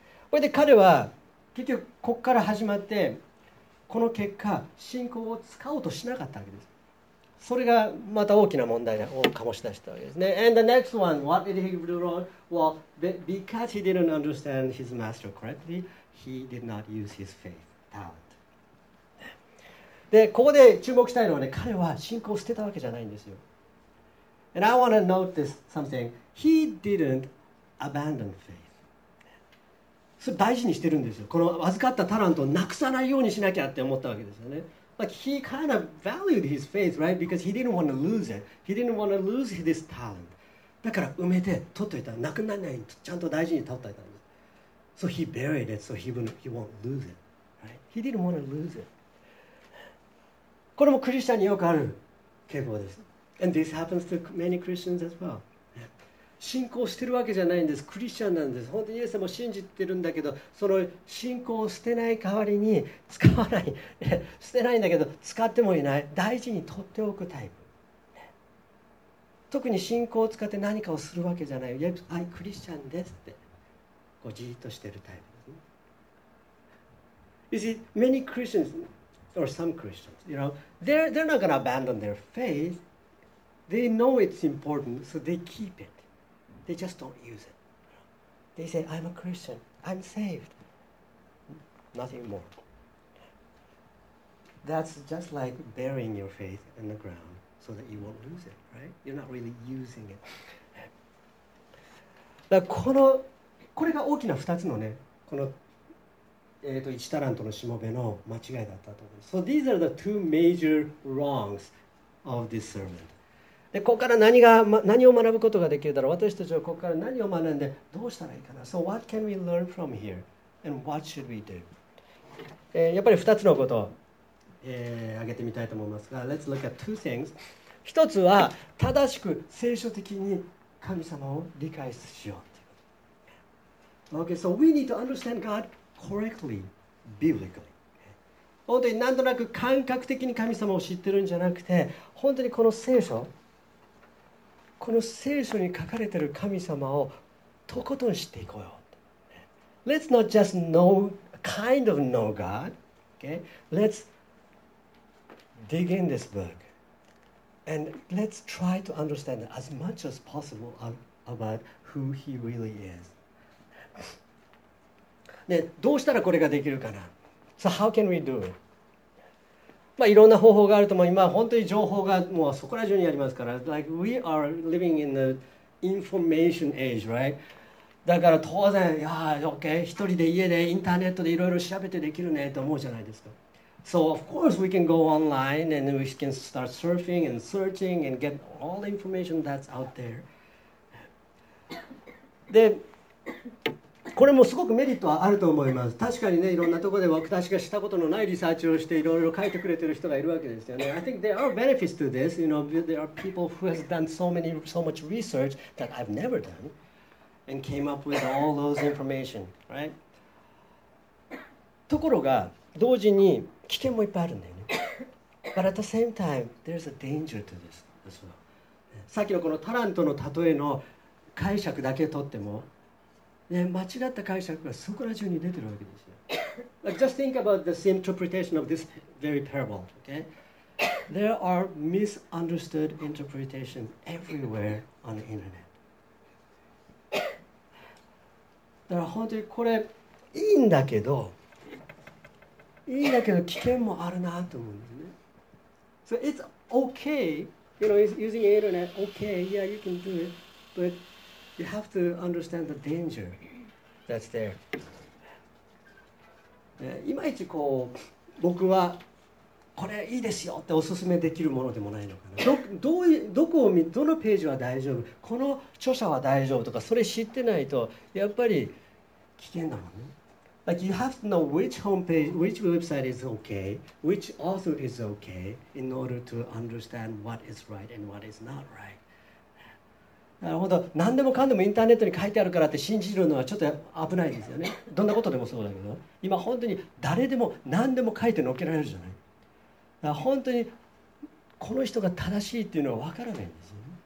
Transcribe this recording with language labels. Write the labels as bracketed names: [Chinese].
[Japanese] これで彼は結局ここから始まってこの結果信仰を使おうとしなかったわけです。それがまた大きな問題を醸し出したわけですね。 [English] And the next one, what did he do wrong? Well, because he didn't understand his master correctly, he did not use his faith, talent. [Japanese] で、ここで注目したいのはね、彼は信仰を捨てたわけじゃないんですよ。 [English] And I want to note this something. He didn't abandon faith. [Japanese] それ大事にしてるんですよ。この預かったタラントをなくさないようにしなきゃって思ったわけですよね。 [English] Like he kind of valued his faith, right? Because he didn't want to lose it. He didn't want to lose his talent. [Japanese] だから埋めて取っといた。なくならないようにちゃんと大事に取っといたんです。 [English] So he buried it so he won't lose it. Right? He didn't want to lose it. [Japanese] これもクリスチャンによくある傾向です。 [English] And this happens to many Christians as well. [Japanese] 信仰してるわけじゃないんです。クリスチャンなんです。本当にイエス様を信じてるんだけど、その信仰を捨てない代わりに使わない。捨てないんだけど、使ってもいない。大事に取っておくタイプ。特に信仰を使って何かをするわけじゃない。いや、クリスチャンですって。こうじーっとしてるタイプですね。 [English] You see, many Christians, or some Christians, you know, they're not going to abandon their faith. They know it's important, so they keep it. They just don't use it. They say, I'm a Christian. I'm saved. Nothing more. That's just like burying your faith in the ground so that you won't lose it, right? You're not really using it. [Japanese] だからこれが大きな2つのね、この、1タラントのしもべの間違いだったと思います。 [English] So these are the two major wrongs of this sermon. [Japanese] でここから何を学ぶことができるだろう私たちはここから何を学んでどうしたらいいかな [English] So what can we learn from here? And what should we do? [Japanese] やっぱり2つのことを、挙げてみたいと思いますが [English] Let's look at two things [Japanese] 一つは正しく聖書的に神様を理解しよう [English] Okay, so we need to understand God correctly, biblically [Japanese] 本当になんとなく感覚的に神様を知ってるんじゃなくて、本当にこの聖書、この聖書に書かれている神様をとことん知っていこうよ。 [English] Let's not just know kind of know God. Okay? Let's dig in this book. And let's try to understand as much as possible about who he really is. [Japanese] ね、どうしたらこれができるかな。 [English] So how can we do it? [Japanese] まあ、いろんな方法があると思う。今本当に情報がもうそこら中にありますから。 [English] Like we are living in the information age, right? [Japanese] だから当然、いやー、OK、一人で家でインターネットでいろいろ調べてできるねと思うじゃないですか。 [English] So of course we can go online and we can start surfing and searching and get all the information that's out there. [Japanese] で、これもすごくメリットはあると思います。確かにね、いろんなところで私がしたことのないリサーチをしていろいろ書いてくれてる人がいるわけですよね。 [English] I think there are benefits to this. You know, there are people who has done so much research that I've never done and came up with all those information, right? [Japanese] ところが、同時に危険もいっぱいあるんだよね。 [English] But at the same time, there's a danger to this as well. [Japanese] さっきのこのタラントの例えの解釈だけとっても、ね、間違った解釈がそこら中に出てるわけですよ。 [English] Like, just think about this interpretation of this very parable, okay? There are misunderstood interpretations everywhere on the internet. [Japanese] だから本当にこれいいんだけど、いいんだけど危険もあるなと思うんですね。 [English] So it's okay, you know, using the internet, okay, yeah, you can do it, but you have to understand the danger that's there. [Japanese] いまいちこう僕はこれいいですよっておすすめできるものでもないのかな。どのページは大丈夫、この著者は大丈夫とか、それ知ってないとやっぱり危険だもんね。 [English] Like you have to know which homepage, which website is okay, which author is okay, in order to understand what is right and what is not right. [Japanese] なるほど。何でもかんでもインターネットに書いてあるからって信じるのはちょっと危ないですよね。どんなことでもそうだけど、今本当に誰でも何でも書いてのっけられるじゃない。だから本当にこの人が正しいっていうのは分からないんですよね。